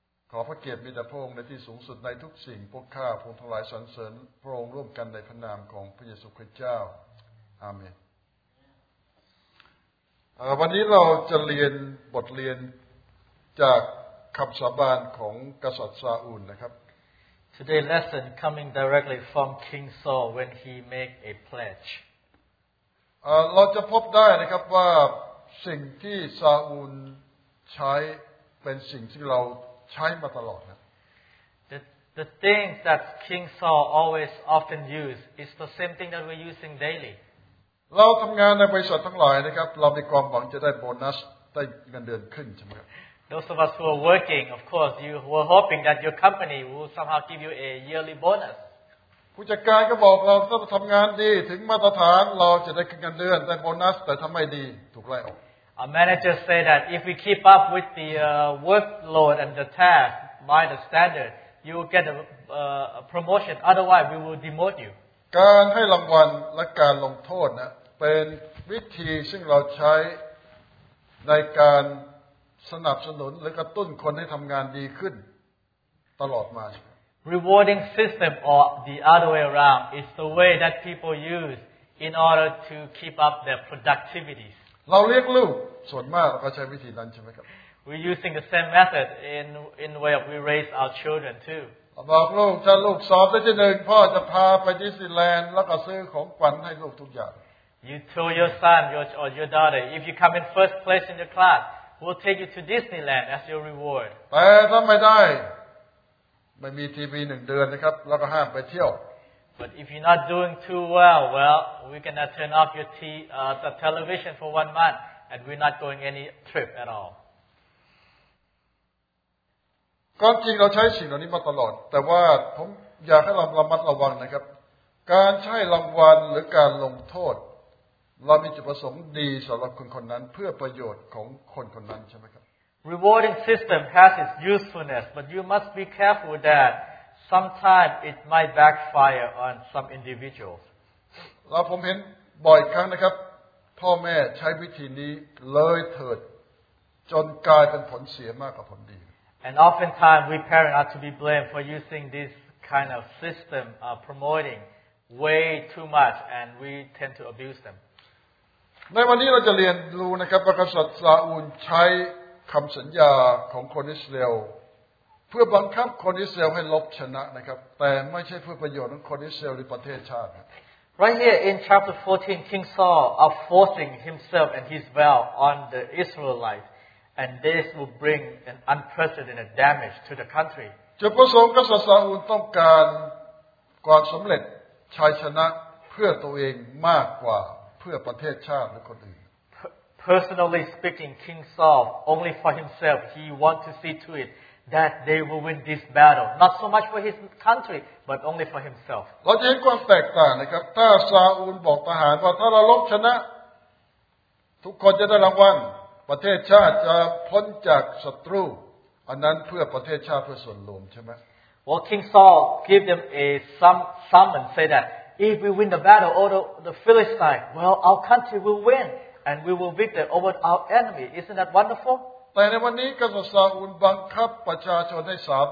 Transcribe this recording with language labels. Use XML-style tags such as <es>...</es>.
<th>ขอพระเกียรติมีแด่พระองค์ในที่สูงสุดในทุกสิ่งพวกข้าพงศ์ทั้งหลายสรรเสริญพระองค์ร่วมกันในพระนามของพระเยซูคริสต์เจ้าอาเมนวันนี้เราจะเรียนบทเรียนจากคำสาบานของกษัตริย์ซาอูลนะครับ</th> <en>Today's lesson coming directly from King Saul when he made a pledge.</en> <th>เราจะพบได้นะครับว่าสิ่งที่ซาอูลใช้เป็นสิ่งที่เราใช้มาตลอดนะ</th> <en>The things that King Saul always often use is the same thing that we're using daily.</en> <th>เราทำงานในบริษัททั้งหลายนะครับเรามีความหวังจะได้โบนัสได้เงินเดือนขึ้นใช่ไหมครับ</th> <en>Those of us who are working, of course, you were hoping that your company will somehow give you a yearly bonus.</en> <th>ผู้จัดการก็บอกเราถ้าทำงานดีถึงมาตรฐานเราจะได้เงินเดือนได้โบนัสแต่ทำไม่ดีถูกไล่ออก</th> <en>Our manager said that if we keep up with the workload and the task by the standard, you will get a promotion. Otherwise, we will demote you.</en> <th>การให้รางวัลและการลงโทษนะเป็นวิธีซึ่งเราใช้ในการสนับสนุนหรือกระตุ้นคนให้ทำงานดีขึ้นตลอดมา</th> <en>Rewarding system or the other way around is the way that people use in order to keep up their productivities.</en> <th>เราเรียกลูกส่วนมากเราก็ใช้วิธีนั้นใช่ไหมครับ</th> <en>We're using the same method in way of we raise our children too.</en> <th>บอกลูกถ้าลูกสอบได้ที่หนึ่งพ่อจะพาไปดิสนีย์แลนด์แล้วก็ซื้อของขวัญให้ลูกทุกอย่าง</th> <en>You tell your son or your daughter if you come in first place in your class. We'll take you to Disneyland as your reward.</en> <th>แต่ถ้าไม่ได้ไม่มีทีวีหนึ่งเดือนนะครับเราก็ห้ามไปเที่ยว</th> <en>But if you're not doing too well, well, we're gonna turn off your the television for 1 month, and we're not going any trip at all.</en> <th>ความจริงเราใช้สิ่งเหล่านี้มาตลอดแต่ว่าผมอยากให้เราระมัดระวังนะครับการใช้รางวัลหรือการลงโทษเรามีจุดประสงค์ดีสำหรับคนคนนั้นเพื่อประโยชน์ของคนคนนั้นใช่ไหมครับ</th> <en>Rewarding system has its usefulness but you must be careful that sometimes it might backfire on some individuals</en> <th>เราผมเห็นบ่อยครั้งนะครับพ่อแม่ใช้วิธีนี้เลยเถิดจนกลายเป็นผลเสียมากกว่าผลดี</th> <en>And oftentimes we parents are to be blamed for using this kind of system promoting way too much and we tend to abuse them</en> <th>ในวันนี้เราจะเรียนรู้นะครับว่ากษัตริย์ซาอูลใช้คำสัญญาของคนอิสราเอลเพื่อบังคับคนอิสราเอลให้ลบชนะนะครับแต่ไม่ใช่เพื่อประโยชน์ของคนอิสราเอลหรือประเทศชาติ</th> <en>Right here in chapter 14 King Saul are forcing himself and his will on the Israelites and this will bring an unprecedented damage to the country</en> <th>จุดประสงค์กษัตริย์ซาอูลต้องการความสำเร็จชัยชนะเพื่อตัวเองมากกว่าเพื่อประเทศชาติและคนอื่น</th> <en>Personally speaking, King Saul, only for himself, he wants to see to it that they will win this battle. Not so much for his country, but only for himself.</en> <th>เราจะเห็นความแตกต่างนะครับถ้าซาอูลบอกทหารว่าถ้าเราลบชนะทุกคนจะได้รางวัลประเทศชาติจะพ้นจากศัตรูอันนั้นเพื่อประเทศชาติเพื่อส่วนรวมใช่ไหม</th> <en>Well, King Saul gave them a summon say thatIf we win the battle over the Philistine, well, our country will win, and we will victor over our enemy. Isn't that wonderful? But in the day, King Saul bankrupt the people of Israel.</en>